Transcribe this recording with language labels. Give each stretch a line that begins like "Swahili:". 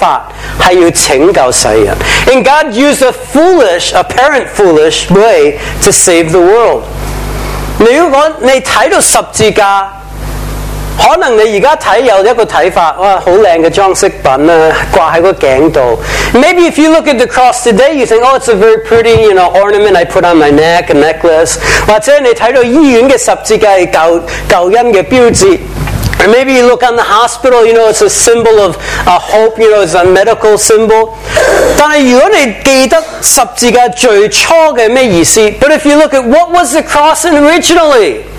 Chinese: 神用一个愚蠢的方法是要拯救世人。
English: And God used a foolish, apparent foolish way to save the world.
Chinese: 如果你看到十字架，可能你现在看有一个看法，哇，好靓的装饰品啊，挂在个颈度。
English: Maybe if you look at the cross today, you think, oh, it's a very pretty, you know, ornament I put on my neck, a necklace.
Chinese: 或者你看到医院的十字架是救恩的标志。
English: Or maybe you look on the hospital, you know, it's a symbol of hope, you know, it's a medical symbol.
Chinese: 但如果你记得十字架最初的什么意思,
English: but if you look at what was the cross originally?